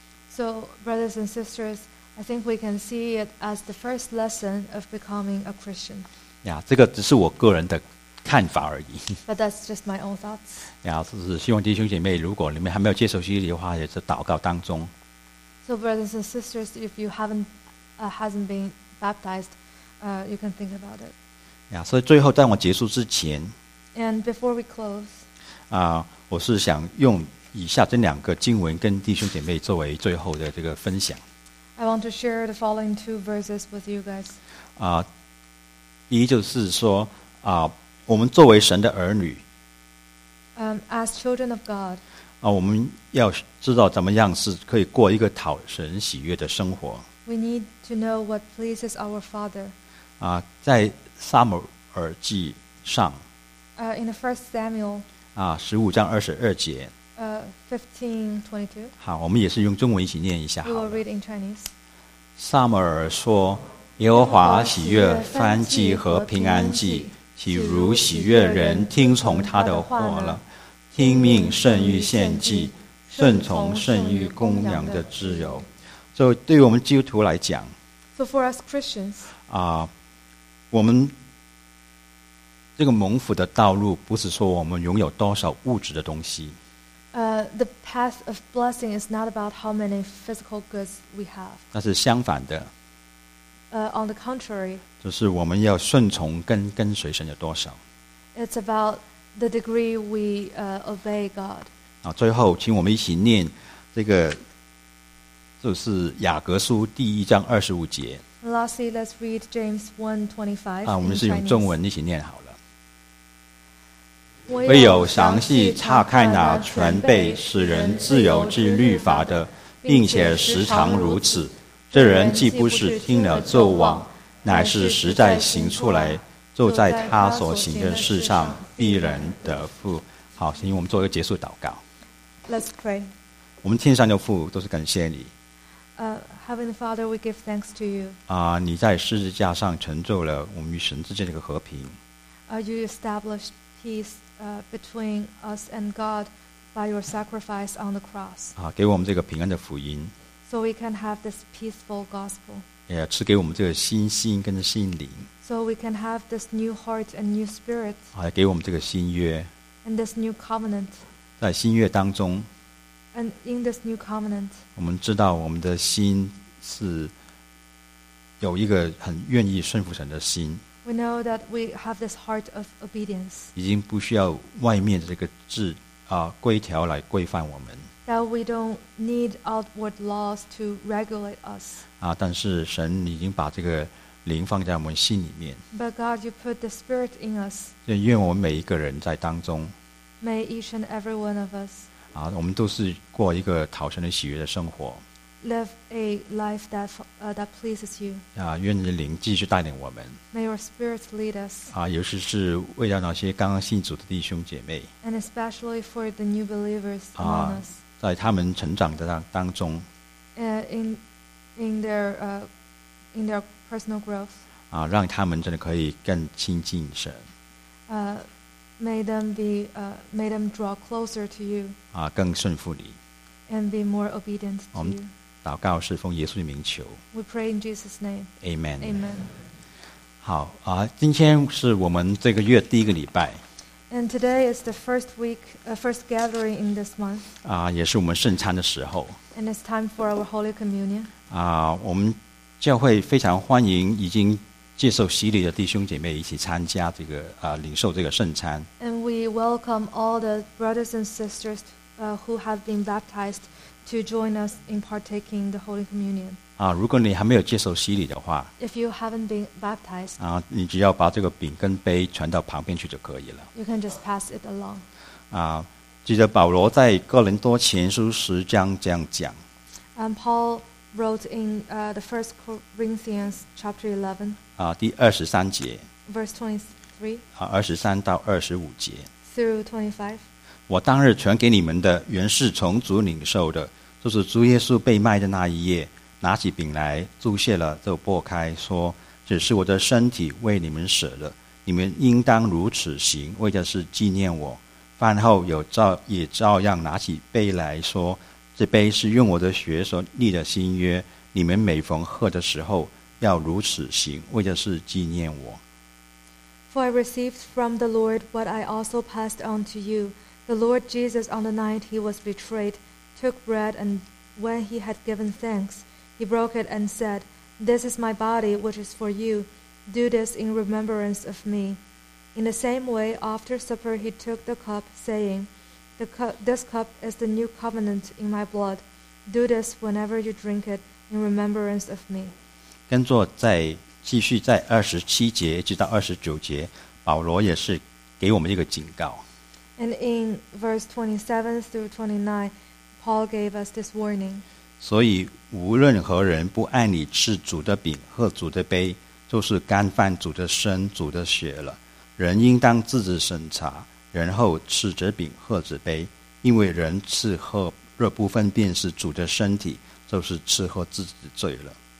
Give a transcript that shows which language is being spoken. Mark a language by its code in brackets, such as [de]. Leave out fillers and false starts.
[en] So, brothers and sisters, I think we can see it as the first lesson of becoming a Christian. [zh] Yeah, 这个只是我个人的看法而已。 [en] But that's just my own thoughts. [zh] Yeah, 是希望弟兄姐妹，如果你们还没有接受洗礼的话，也是祷告当中。 [en] So, brothers and sisters, if you haven't, hasn't been baptized, you can think about it. [zh] Yeah, 所以最后在我结束之前。 [en] And before we close. [zh] 啊，我是想用以下这两个经文跟弟兄姐妹作为最后的这个分享。 [en] I want to share the following two verses with you guys. [zh] 啊，第一就是说啊，我们作为神的儿女。 [en] As children of God. [zh] 啊，我们要知道怎么样是可以过一个讨神喜悦的生活。 [en] We need to know what pleases our Father. [zh] 啊，在撒母耳记上。 [en] In the First Samuel. [zh] 啊，15:22。 [en] 15:22. [zh] 好，我们也是用中文一起念一下。 [en] We will read in Chinese. [zh] 撒母耳说：“耶和华喜悦燔祭和平安祭，岂如喜悦人听从他的话了？听命胜于献祭，顺从胜于公羊的自由。” 所以，对于我们基督徒来讲 [en] ，So for us Christians, [zh] 啊，我们这个蒙福的道路，不是说我们拥有多少物质的东西。 [en] The path of blessing is not about how many physical goods we have. [zh] 那是相反的。 [en] On the contrary, [zh] 就是我们要顺从跟随神有多少。 [en] It's about the degree we obey God. [zh] 啊，最后，请我们一起念这个，就是雅各书1:25。 [en] And lastly, let's read James 1:25. [zh] 啊，我们是用中文一起念好了。唯有详细查看那全备使人自由之律法的，并且时常如此，这人既不是听了就忘，乃是实在行出来，就在他所行的事上必然得福。好，请我们做一个结束祷告。 [en] Let's pray. [zh] 我们天上的父，都是感谢你。 [en] Heavenly Father, we give thanks to you. [zh] 啊，你在十字架上成就了我们与神之间的一个和平。 [en] You established peace. Between us and God by your sacrifice on the cross. [zh] 啊，给我们这个平安的福音。 [en] So we can have this peaceful gospel. [zh] 也赐给我们这个新心跟心灵。 [en] So we can have this new heart and new spirit. [zh] 啊，给我们这个新约。 [en] And this new covenant. [zh] 在新约当中。 [en] And in this new covenant. [zh] 我们知道我们的心是有一个很愿意顺服神的心。 [en] We know that we have this heart of obedience. [zh] 已经不需要外面的这个制啊规条来规范我们。 [en] That we don't need outward laws to regulate us. [zh] 啊，但是神已经把这个灵放在我们心里面。 [en] But God, you put the spirit in us. [zh] 愿我们每一个人在当中。 [en] May each and every one of us. [zh] 啊，我们都是过一个讨神的喜悦的生活。 [en] Live a life that that pleases you. [zh] 啊，愿你的灵继续带领我们。 [en] May your spirit lead us. [zh] 啊，尤其是为了那些刚刚信主的弟兄姐妹。 [en] And especially for the new believers among us. [zh] 啊，在他们成长的当中。 [en] In their personal growth. [zh] 啊，让他们真的可以更亲近神。 [en] May them draw closer to you. [zh] 啊，更顺服你。 [en] And be more obedient to you. [zh] 祷告是奉耶稣的名求。 [en] We pray in Jesus' name. Amen. Amen. [zh] 好啊，今天是我们这个月第一个礼拜。 [en] And today is the first week, first gathering in this month. [zh] 啊，也是我们圣餐的时候。 [en] And it's time for our Holy Communion. [zh] 啊，我们教会非常欢迎已经接受洗礼的弟兄姐妹一起参加这个啊，领受这个圣餐。 [en] And we welcome all the brothers and sisters who have been baptized. To join us in partaking the Holy Communion. [zh] 啊，如果你还没有接受洗礼的话 [en] ，If you haven't been baptized, [zh] 啊，你只要把这个饼跟杯传到旁边去就可以了。 [en] You can just pass it along. [zh] 啊，记得保罗在哥林多前书10这样讲。 [en] And Paul wrote in the First Corinthians chapter 11. [zh] 第二十三节。 [en] Verse 23. [zh] 二十三到二十五节。 [en] Through 25. [zh] 我当日传给你们的，原是从主领受的，就是主耶稣被卖的那一夜，拿起饼来，祝谢了，就擘开，说：“这是我的身体，为你们舍的。你们应当如此行，为的是纪念我。” 饭后也照样拿起杯来说：“这杯是用我的血所立的新约，你们每逢喝的时候要如此行，为的是纪念我。” [en] For I received from the Lord what I also passed on to you. The Lord Jesus, on the night he was betrayed, took bread, and when he had given thanks, he broke it and said, "This is my body, which is for you. Do this in remembrance of me." In the same way, after supper, he took the cup, saying, "This cup is the new covenant in my blood. Do this whenever you drink it in remembrance of me." [zh] 跟着在继续在二十七节直到二十九节，保罗也是给我们一个警告。 [en] And in verse 27 through 29, Paul gave us this warning. [zh] 所以无论何人不按理吃主的饼喝主的杯，就是干犯主的身主的血了。人应当自己审查，然后吃着饼喝着杯，因为人吃喝若不分辨是主的身体，就是吃喝自己的罪了。